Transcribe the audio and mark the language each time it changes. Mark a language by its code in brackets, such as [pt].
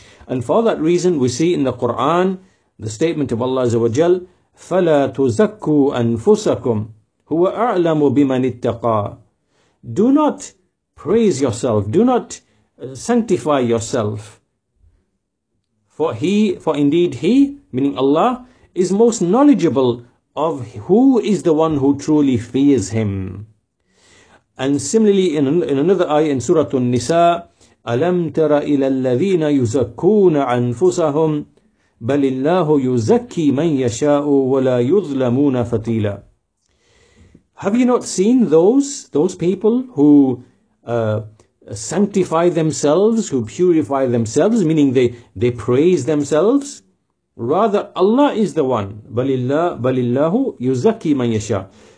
[en] And for that reason, we see in the Quran, the statement of Allah Azza wa Jal, [ar] فَلَا تُزَكُّوا أَنفُسَكُمْ هُوَ أَعْلَمُ بِمَنِ اتَّقَى. [en] Do not praise yourself, do not sanctify yourself. For indeed he, meaning Allah, is most knowledgeable of who is the one who truly fears him. And similarly, in another ayah in Surah An-Nisa, [ar] أَلَمْ تَرَ إِلَى الَّذِينَ يُزَكُّونَ أَنفُسَهُمْ بَلِ اللَّهُ يُزَكِّي مَنْ يَشَاءُ وَلَا يُظْلَمُونَ فَتِيلًا. [en] Have you not seen those people who sanctify themselves, who purify themselves, meaning they praise themselves? Rather, Allah is the one. [ar] بَلِ اللَّهُ يُزَكِّي مَنْ يَشَاءُ.